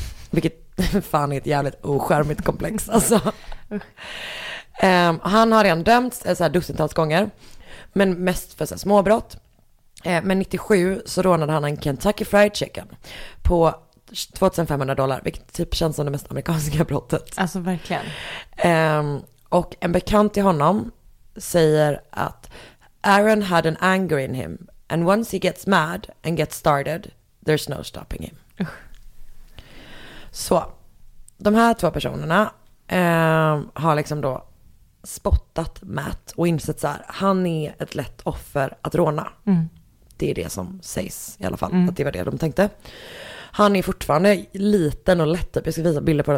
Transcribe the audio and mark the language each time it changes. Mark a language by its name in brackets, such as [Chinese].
[Swedish] Vilket fan är ett jävligt oskärmigt komplex. Alltså. Han har redan dömts så här dussintals gånger, men mest för så här småbrott. Men 97 så rånade han en Kentucky Fried Chicken på $2,500, vilket typ känns som det mest amerikanska brottet. Alltså verkligen. Och en bekant till honom säger att [English] Aaron had an anger in him and once he gets mad and gets started there's no stopping him. [Swedish] Så de här två personerna har liksom då spottat Matt och insett så här, han är ett lätt offer att råna. Mm. Det är det som sägs i alla fall. Mm. Att det var det de tänkte. Han är fortfarande liten och lätt. Jag ska visa bilder på det.